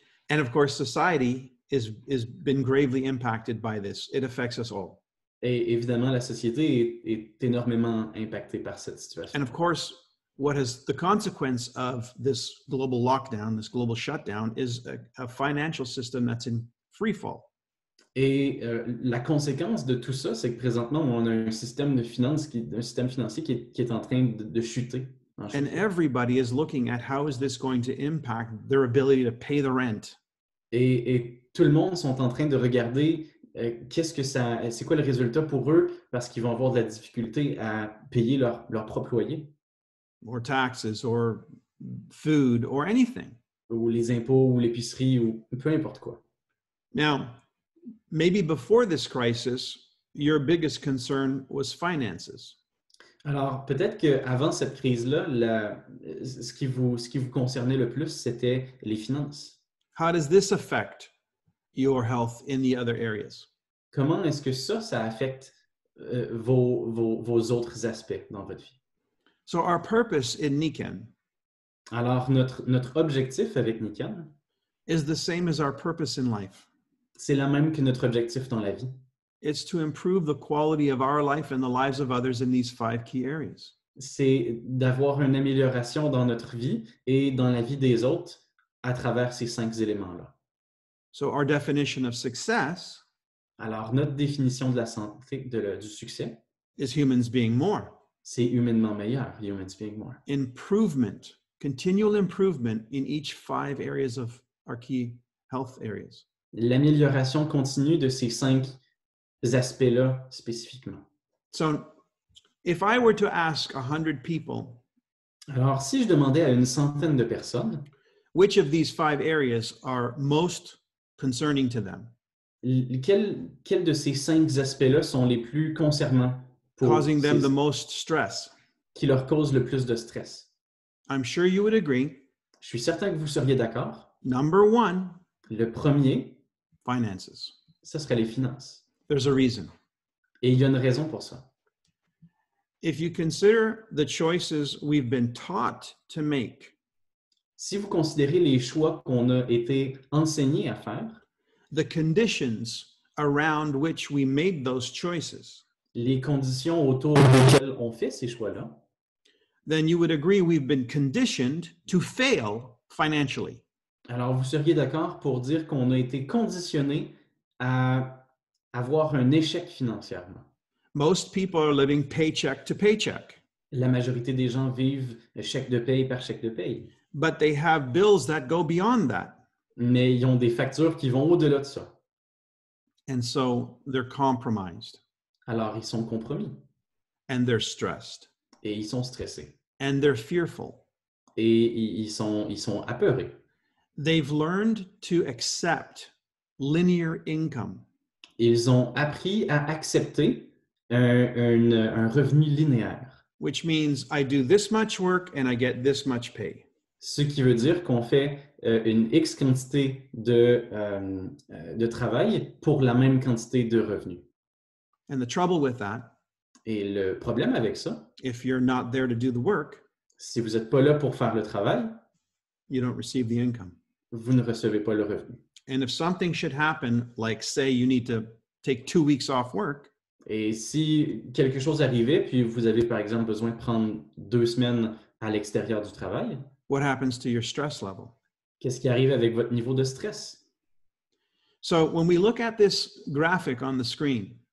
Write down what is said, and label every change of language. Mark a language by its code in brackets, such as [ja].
[en] And of course, society has been gravely impacted by this. It affects us all. [fr] Et évidemment, la société est énormément impactée par cette situation. [en] And of course, what has the consequence of this global lockdown, this global shutdown, is a financial system that's in free fall. [fr] Et la conséquence de tout ça, c'est que présentement, on a un système de finances qui, un système financier qui est en train de chuter. [en] And everybody is looking at how is this going to impact their ability to pay the rent. [fr] Et tout le monde sont en train de regarder qu'est-ce que ça, c'est quoi le résultat pour eux parce qu'ils vont avoir de la difficulté à payer leur propre loyer. [en] Or taxes, or food, or anything. [fr] Ou les impôts, ou l'épicerie, ou peu importe quoi. [en] Now, maybe before this crisis, your biggest concern was finances. [fr] Alors, peut-être qu'avant cette crise-là, ce qui vous concernait le plus, c'était les finances. [en] How does this affect your health in the other areas? [fr] Comment est-ce que ça affecte vos autres aspects dans votre vie? [en] So our purpose in Nikan. [fr] Alors, notre objectif avec Nikan [en] is the same as our purpose in life. [fr] C'est la même que notre objectif dans la vie. [en] It's to improve the quality of our life and the lives of others in these five key areas. [fr] C'est d'avoir une amélioration dans notre vie et dans la vie des autres à travers ces cinq éléments-là. [en] So our definition of success, [fr] alors notre définition de la santé, du succès, [en] is humans being more. [fr] C'est humainement meilleur, [en] humans being more. Improvement, continual improvement in each five areas of our key health areas. [fr] L'amélioration continue de ces cinq aspects-là spécifiquement. [en] So, if I were to ask 100 people, [fr] alors si je demandais à une centaine de personnes, [en] which of these five areas are most concerning to them? [fr] Quels de ces cinq aspects-là sont les plus concernants pour [en] causing them the most stress? [fr] Qui leur causent le plus de stress? [en] I'm sure you would agree. [fr] Je suis certain que vous seriez d'accord. [en] Number one, [fr] le premier, [en] finances. [fr] Ça serait les finances. [en] There's a reason. [fr] Et il y a une raison pour ça. [en] If you consider the choices we've been taught to make, [fr] si vous considérez les choix qu'on a été enseigné à faire, [en] the conditions around which we made those choices, [fr] les conditions autour desquelles on fait ces choix-là, [en] then you would agree we've been conditioned to fail financially. [fr] Alors vous seriez d'accord pour dire qu'on a été conditionné à avoir un échec financièrement. [en] Most people are living paycheck to paycheck. [fr] La majorité des gens vivent chèque de paye par chèque de paye. [en] But they have bills that go beyond that. [fr] Mais ils ont des factures qui vont au-delà de ça. [en] And so they're compromised. [fr] Alors ils sont compromis. [en] And they're stressed. [fr] Et ils sont stressés. [en] And they're fearful. [fr] Et ils sont apeurés. [en] They've learned to accept linear income. [fr] Ils ont appris à accepter un revenu linéaire. [en] Which means I do this much work and I get this much pay. [fr] Ce qui veut dire qu'on fait une X quantité de travail pour la même quantité de revenus. [en] And the trouble with that, [fr] et le problème avec ça, [en] if you're not there to do the work, [fr] si vous n'êtes pas là pour faire le travail, [en] you don't receive the income. [fr] Vous ne recevez pas le revenu. [en] And if something should happen, like say you need to take 2 weeks off work, [fr] et si quelque chose arrivait, puis vous avez par exemple besoin de prendre 2 semaines à l'extérieur du travail, [en] what happens to your stress level? [fr] Qu'est-ce qui arrive avec votre niveau de stress? [en] So when we look at this graphic on the screen,